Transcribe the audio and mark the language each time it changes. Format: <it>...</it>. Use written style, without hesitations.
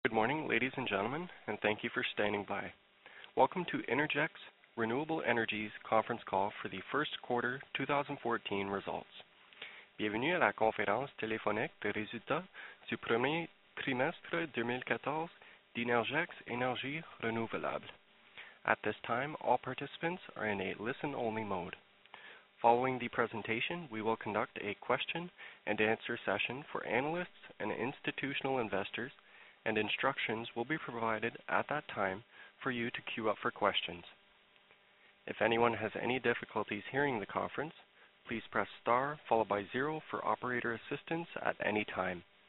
<en>Good morning, ladies and gentlemen, and thank you for standing by. Welcome to Innergex Renewable Energy's conference call for the first quarter 2014 results.</en> <fr>Bienvenue à la conférence téléphonique des résultats du premier trimestre 2014 d'Innergex Énergie Renouvelable.</fr> <en>At this time, all participants are in a listen-only mode. Following the presentation, we will conduct a question-and-answer session for analysts and institutional investors, and instructions will be provided at that time for you to queue up for questions. If anyone has any difficulties hearing the conference, please press star followed by zero for operator assistance at any time.</en>